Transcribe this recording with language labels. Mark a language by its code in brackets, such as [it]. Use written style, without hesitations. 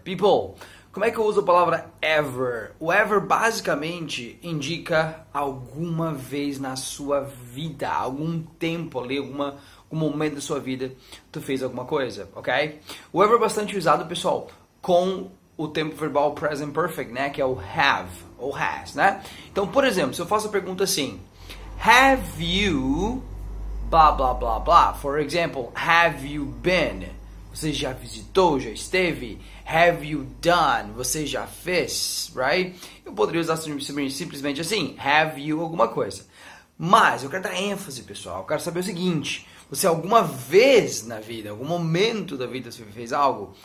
[pt] People, como é que eu uso a palavra ever? O ever basicamente indica alguma vez na sua vida, algum tempo ali, algum momento da sua vida, tu fez alguma coisa, ok? O ever é bastante usado, pessoal, com o tempo verbal present perfect, né? Que é o have ou has, né? Então, por exemplo, se eu faço a pergunta assim: [en] Have you blah blah blah blah? For example, have you been? [pt] Você já visitou, já esteve? [en] Have you done? [pt] Você já fez, right? Eu poderia usar simplesmente assim: have you alguma coisa. Mas eu quero dar ênfase, pessoal. Eu quero saber o seguinte: você alguma vez na vida, algum momento da vida, você fez algo?